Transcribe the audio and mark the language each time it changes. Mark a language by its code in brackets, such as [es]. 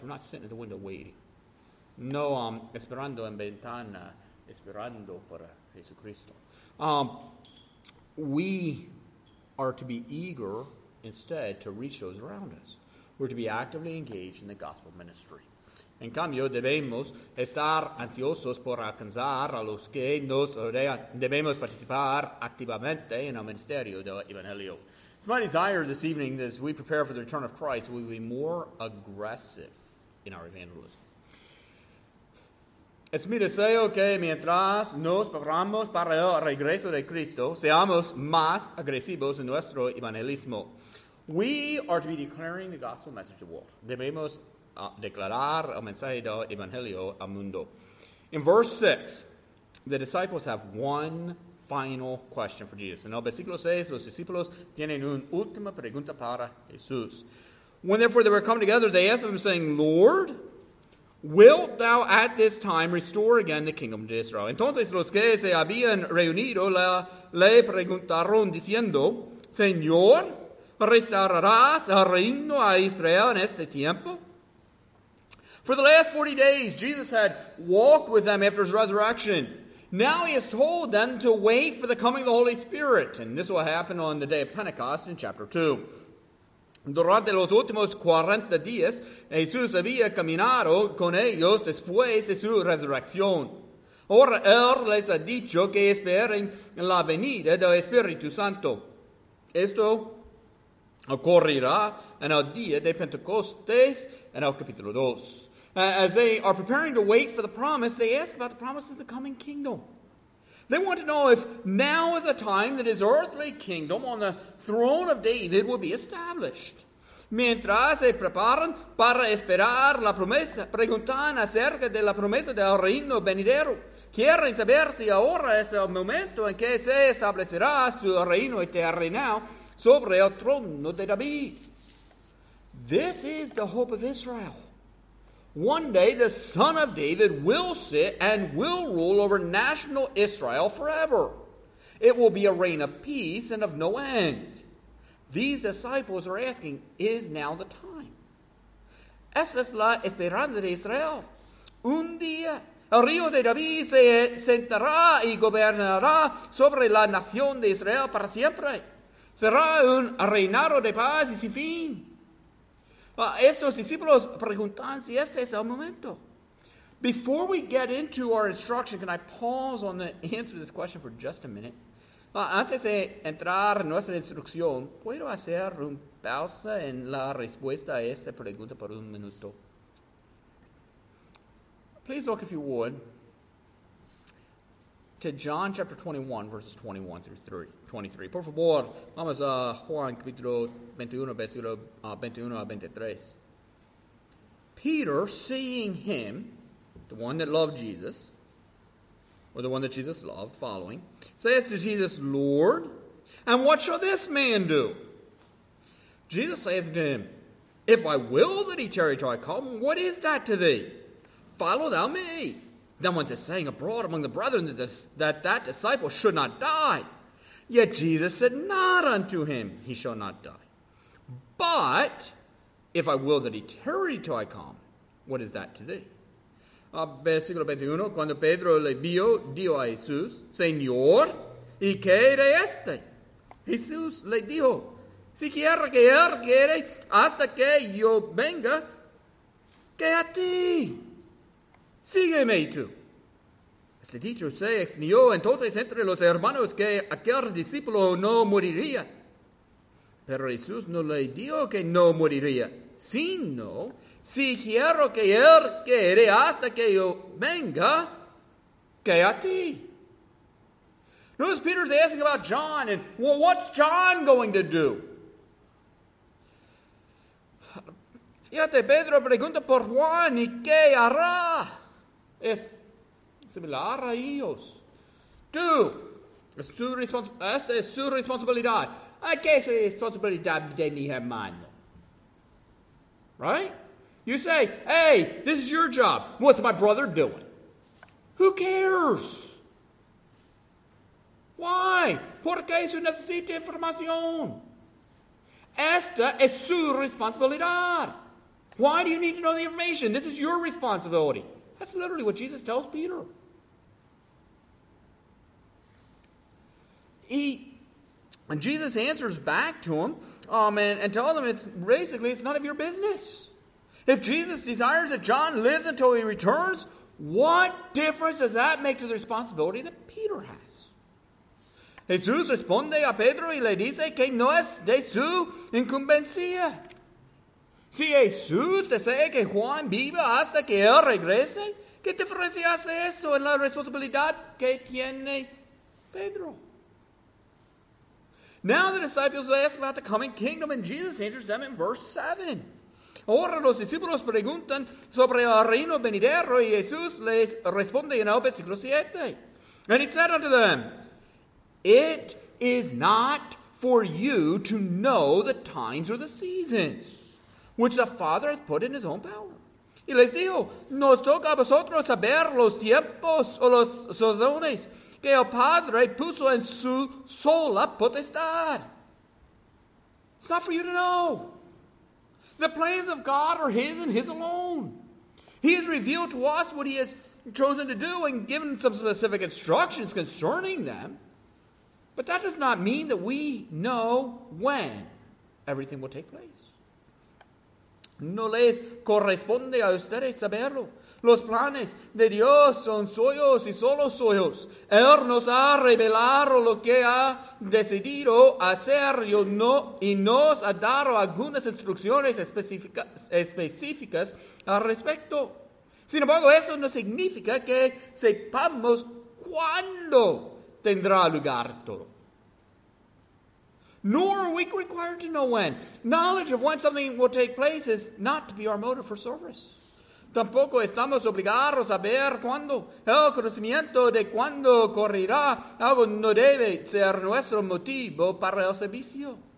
[en] We're not sitting at the window waiting. [es] No, esperando en ventana, esperando para Jesucristo. [en] We are to be eager instead to reach those around us. We're to be actively engaged in the gospel ministry. [es] En cambio, debemos estar ansiosos por alcanzar a los que nos rodean. Debemos participar activamente en el ministerio del Evangelio. [en] It's my desire this evening that as we prepare for the return of Christ, we will be more aggressive in our evangelism. [es] Es mi deseo que mientras nos preparamos para el regreso de Cristo, seamos más agresivos en nuestro evangelismo. [en] We are to be declaring the gospel message to the world. [es] Debemos declarar el mensaje del evangelio al mundo. [en] In verse 6, the disciples have one final question for Jesus. [es] En el versículo 6, los discípulos tienen una última pregunta para Jesús. [en] When therefore they were coming together, they asked him, saying, Lord, wilt thou at this time restore again the kingdom to Israel? [es] Entonces los que se habían reunido le preguntaron diciendo, Señor, ¿restaurarás el reino a Israel en este tiempo? [en] For the last 40 days, Jesus had walked with them after his resurrection. Now he has told them to wait for the coming of the Holy Spirit. And this will happen on the day of Pentecost in chapter 2. [es] Durante los últimos 40 días, Jesús había caminado con ellos después de su resurrección. Ahora él les ha dicho que esperen la venida del Espíritu Santo. Esto ocurrirá en el día de Pentecostés, en el capítulo 2. [en] As they are preparing to wait for the promise, they ask about the promise of the coming kingdom. They want to know if now is a time that his earthly kingdom on the throne of David will be established. [es] Mientras se preparan para esperar la promesa, preguntan acerca de la promesa del reino venidero. Quieren saber si ahora es el momento en que se establecerá su reino eterno sobre el trono de David. [en] This is the hope of Israel. One day the son of David will sit and will rule over national Israel forever. It will be a reign of peace and of no end. These disciples are asking, is now the time? [es] Esta es la esperanza de Israel. Un día el río de David se sentará y gobernará sobre la nación de Israel para siempre. Será un reinado de paz y sin fin. Estos discípulos preguntan si este es el momento. [en] Before we get into our instruction, can I pause on the answer to this question for just a minute? [es] Antes de entrar en nuestra instrucción, ¿puedo hacer una pausa en la respuesta a esta pregunta por un minuto? [en] Please look, if you would, to John chapter 21, verses 21 through 23. [es] Por favor, vamos a Juan capítulo 21, versículo 21 a 23. [en] Peter, seeing him, the one that loved Jesus, or the one that Jesus loved, following, saith to Jesus, Lord, and what shall this man do? Jesus saith to him, If I will that he tarry till I come, what is that to thee? Follow thou me. Then went the saying abroad among the brethren that disciple should not die. Yet Jesus said not unto him, he shall not die. But if I will that he tarry till I come, what is that to thee? [es] Versículo 21, cuando Pedro le vio, dijo a Jesús, Señor, ¿y qué de este? Jesús le dijo, si quiere que él quiere hasta que yo venga, que a ti. Sígueme tú. Este dicho se extendió entonces entre los hermanos que aquel discípulo no moriría. Pero Jesús no le dijo que no moriría, sino, si quiero que él quede hasta que yo venga, que a ti. [en] Notice Peter's asking about John, and well, what's John going to do? [es] Fíjate, Pedro pregunta por Juan, ¿y qué hará? Es similar a ellos. Tú, esta es su responsabilidad. ¿Qué es la responsabilidad de mi hermano? [en] Right? You say, hey, this is your job. What's my brother doing? Who cares? Why? [es] ¿Por qué se necesita información? Esta es su responsabilidad. [en] Why do you need to know the information? This is your responsibility. That's literally what Jesus tells Peter. And Jesus answers back to him and tells him it's none of your business. If Jesus desires that John lives until he returns, what difference does that make to the responsibility that Peter has? [es] Jesús responde a Pedro y le dice que no es de su incumbencia. Si Jesús desea que Juan viva hasta que él regrese, ¿qué diferencia hace eso en la responsabilidad que tiene Pedro? [en] Now the disciples ask about the coming kingdom, and Jesus answers them in verse 7. [es] Ahora los discípulos preguntan sobre el reino venidero, y Jesús les responde en el versículo 7. [en] And he said unto them, it is not for you to know the times or the seasons, which the Father has put in his own power. [es] Y les dijo, no toca a vosotros saber los tiempos o los sazones que el Padre puso en su sola potestad. [en] It's not for you to know. The plans of God are his and his alone. He has revealed to us what he has chosen to do and given some specific instructions concerning them. But that does not mean that we know when everything will take place. [es] No les corresponde a ustedes saberlo. Los planes de Dios son suyos y solo suyos. Él nos ha revelado lo que ha decidido hacer y nos ha dado algunas instrucciones específicas al respecto. Sin embargo, eso no significa que sepamos cuándo tendrá lugar todo. [en] Nor are we required to know when. Knowledge of when something will take place is not to be our motive for service. [es] Tampoco estamos obligados a ver cuándo. El conocimiento de cuándo ocurrirá algo no debe ser nuestro motivo para el servicio.